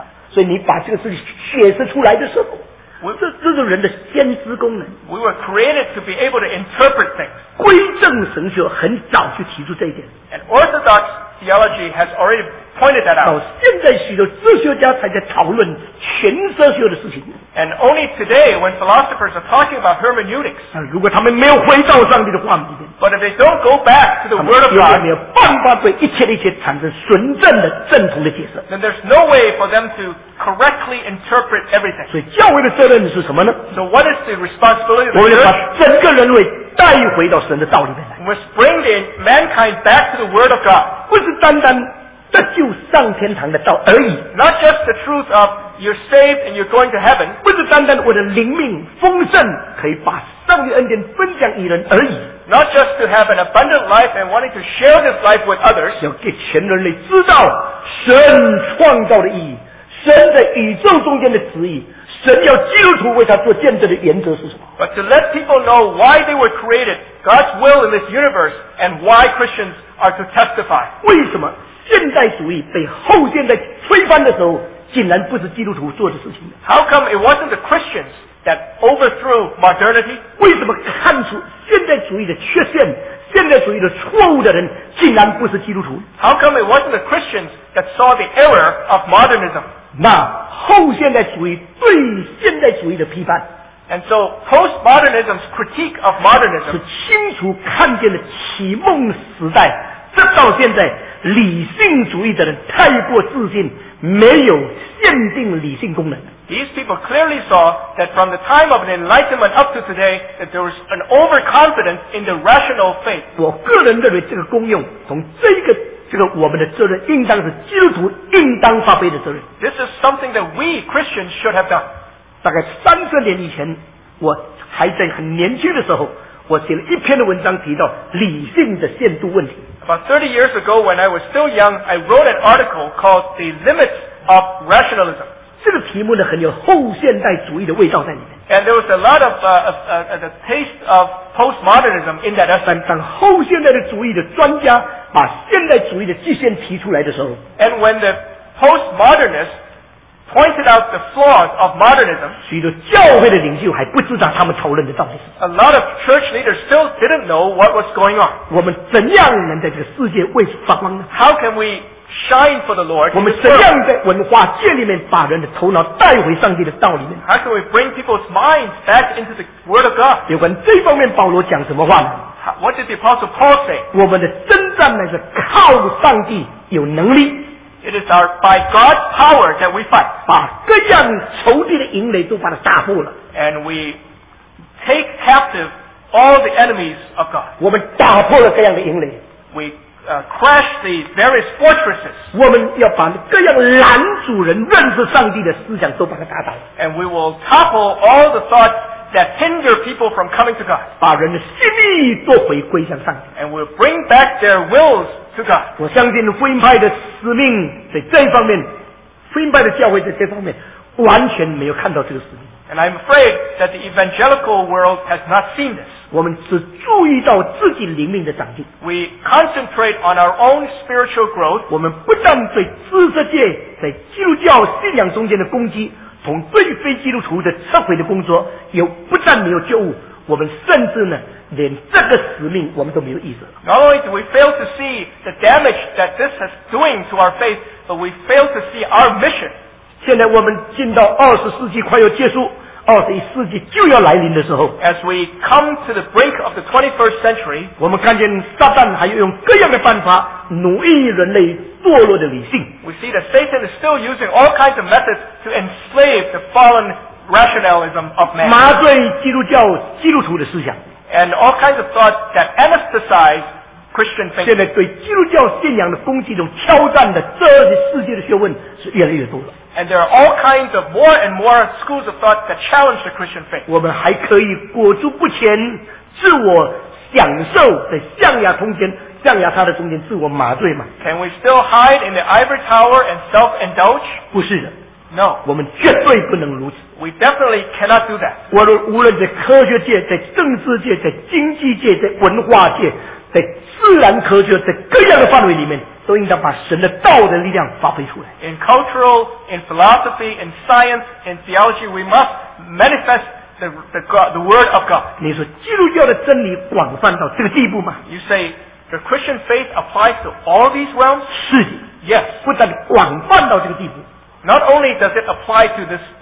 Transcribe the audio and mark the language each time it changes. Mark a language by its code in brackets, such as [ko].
[zh] 所以你把这个事情解释出来的时候，这是人的先知功能。 [en] We were created to be able to interpret things. [zh] 归正神学很早就提出这一点。 [en] And Orthodox theology has already pointed that out. [zh] 现在许多哲学家才在讨论全哲学的事情。 [en] And only today, when philosophers are talking about hermeneutics. [zh] 如果他们没有回到上帝的话语里面， [en] But if they don't go back to the Word of God, [zh] 他们没有办法对一切的一切产生纯正的正统的解释。 [en] Then there's no way for them to correctly interpret everything. [zh] 所以教会的责任是什么呢？ [en] So what is the responsibility of the church? [zh] 我们要把整个人类带回到神的道里面来。 [en] We must bring the mankind back to the Word of God. [zh] 不是单单这就上天堂的道而已。 [en] Not just the truth of you're saved and you're going to heaven. [zh] 不是单单我的灵命丰盛，可以把上帝恩典分享与人而已。 [en] Not just to have an abundant life and wanting to share this life with others. [zh] 要给全人类知道神创造的意义，神在宇宙中间的旨意，神要基督徒为他做见证的原则是什么。 [en] But to let people know why they were created, God's will in this universe, and why Christians are to testify. [zh] 为什么现代主义被后现代推翻的时候，竟然不是基督徒做的事情？ [en] How come it wasn't the Christians that overthrew modernity? [zh] 为什么看出现代主义的缺陷、现代主义的错误的人，竟然不是基督徒？ [en] How come it wasn't the Christians that saw the error of modernism? [zh] 那后现代主义对现代主义的批判， [en] And so postmodernism's critique of modernism [zh] 是清楚看见了启蒙时代，直到现在理性主义的人太过自信，没有限定理性功能。 [en] These people clearly saw that from the time of the Enlightenment up to today, that there was an overconfidence in the rational faith. [zh] 我个人认为这个功用，从这个我们的责任，应当是基督徒应当发挥的责任。 [en] This is something that we Christians should have done. [zh] 大概三十年以前，我还在很年轻的时候，我写了一篇的文章提到理性的限度问题。 [en] About 30 years ago, when I was still young, I wrote an article called The Limits of Rationalism. [zh] 这个题目呢，很有后现代主义的味道在里面。 [en] And there was a lot of the taste of postmodernism in that essay. [zh] 当后现代的主义的专家把现代主义的极限提出来的时候， [en] And when the postmodernists pointed out the flaws of modernism, [zh] 许多教会的领袖还不知道他们讨论的到底是。 [en] A lot of church leaders still didn't know what was going on. [zh] 我们怎样能在这个世界为主发光呢？ [en] How can we shine for the Lord? [zh] 我们怎样在文化界里面把人的头脑带回上帝的道里面？ [en] How can we bring people's minds back into the Word of God? [zh] 有关这方面，保罗讲什么话呢？ [en] What did the Apostle Paul say? [zh] 我们的征战乃是靠上帝有能力。 [en] It is our by God's power that we fight. [zh] 把各样仇敌的营垒都把它打破了。 [en] And we take captive all the enemies of God. [zh] 我们打破了各样的营垒。 [en] We crash the various fortresses. [zh] 我们要把各样拦阻人认识上帝的思想都把它打倒。 [en] And we will topple all the thoughts that hinder people from coming to God. [zh] 把人的心意都回归向上帝。 [en] And we'll bring back their wills. [zh] 我相信福音派的使命在这一方面，福音派的教会在这方面完全没有看到这个使命。 [en] And I'm afraid that the evangelical world has not seen this. [zh] 我们只注意到自己灵命的长进。 [en] We concentrate on our own spiritual growth. [zh] 我们不但对知识界在基督教信仰中间的攻击，从对非基督徒的撤回的工作，也不但没有觉悟，我们甚至呢。连这个使命我们都没有意识。 [en] Not only do we fail to see the damage that this is doing to our faith, but we fail to see our mission. [zh] 现在我们进到二十世纪快要结束，二十一世纪就要来临的时候， [en] As we come to the brink of the 21st century, [zh] 我们看见撒旦还用各样的办法奴役人类堕落的理性。 [en] We see that Satan is still using all kinds of methods to enslave the fallen rationalism of man. [zh] 麻醉基督教基督徒的思想。 [en] And all kinds of thoughts that anesthetize Christian thinking. [zh] 现在对基督教信仰的攻击中挑战的这些世界的学问是越来越多了。 [en] And there are all kinds of more and more schools of thought that challenge the Christian faith. [zh] 我们还可以裹足不前，自我享受的象牙中间，象牙塔的中间自我麻醉吗？ [en] Can we still hide in the ivory tower and self-indulge? [zh] 不是的。 [en] No. [zh] 我们绝对不能如此。 [en] We definitely cannot do that. [zh] 我们无论在科学界、在政治界、在经济界、在文化界、在自然科学、在各样的范围里面，都应当把神的道的力量发挥出来。 [en] In cultural, in philosophy, in science, in theology, we must manifest the word of God. [zh] 你说基督教的真理广泛到这个地步吗？ [en] You say the Christian faith applies to all these realms? [zh] 是的。 [en] Yes. [zh] 不但广泛到这个地步。 [en] Not only does it apply to this